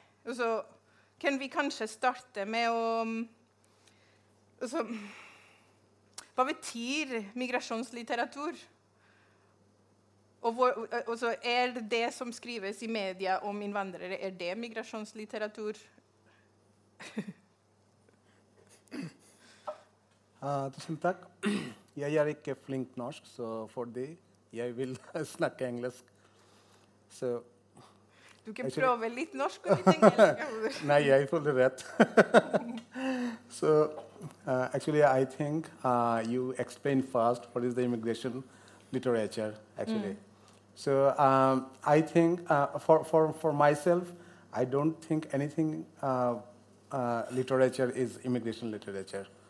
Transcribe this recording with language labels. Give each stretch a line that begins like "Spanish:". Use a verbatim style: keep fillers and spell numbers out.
Norwegian: Altså... Kan vi kanskje starte med å... Altså, hva betyr migrasjonslitteratur? Og hvor, altså, er det som skrives i media om innvandrere, er det migrasjonslitteratur?
Swedish: Uh, tak jag är inte flink norsk så för det jag vill snacka engelsk. Så du kan prova lite norsk och lite engelska. Nej, jag får det rätt.
English: So uh, actually I think uh, you explain first what is the immigration literature actually. Mm. So um, I think uh, for for for myself I don't think anything uh, uh, literature is immigration literature.